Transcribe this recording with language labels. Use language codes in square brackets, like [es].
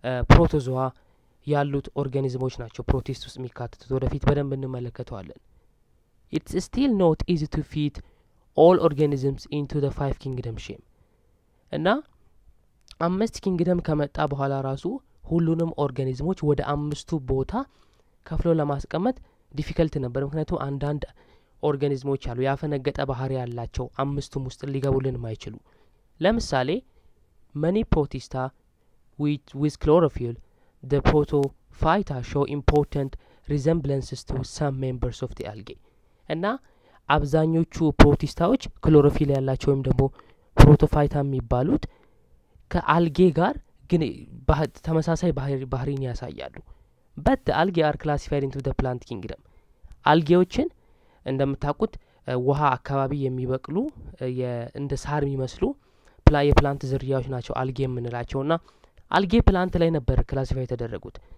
[am] ፕሮቶዞዋ ያሉት ኦርጋኒዝሞች ናቸው ፕሮቲስት ውስጥ የሚካተቱት፣ ወደፊት በደንብ እንመለከተዋለን። [en] It's still not easy to fit all organisms into the 5 kingdom shame. [am] እና 5 kingdom ከመጣ በኋላ ራሱ ሁሉንም ኦርጋኒዝሞች ወደ 5ቱ ቦታ ከፍሎ ለማስቀመጥ ዲፊከልት ነበር። ምክንያቱም አንዳንድ ኦርጋኒዝሞች አሉ ያፈነገጠ ባህሪ ያላቸው አምስቱም ውስጥ ሊገቡልን የማይችሉ። ለምሳሌ [en] many protista with chlorophyll the protophyta show important resemblances to some members of the algae. [am] እና አብዛኞቹ ፕሮቲስታዎች ክሎሮፊል ያላቸውም ደግሞ ፕሮቶፋይታም ይባሉት ከአልጌ ጋር ግን ተመሳሳይ ባህሪን ያሳያሉ። [en] But the algae are classified into the plant kingdom. [am] አልጌዎችን እንደምታቁት ውሃ አካባቢ የሚበቅሉ እንደ ሳር የሚመስሉ ፕላይ ፕላንት ዝርያዎች ናቸው አልጌ የምንላቸውና አልጌ ፕላንት ላይ ነበር ክላሲፋይ ተደረጉት።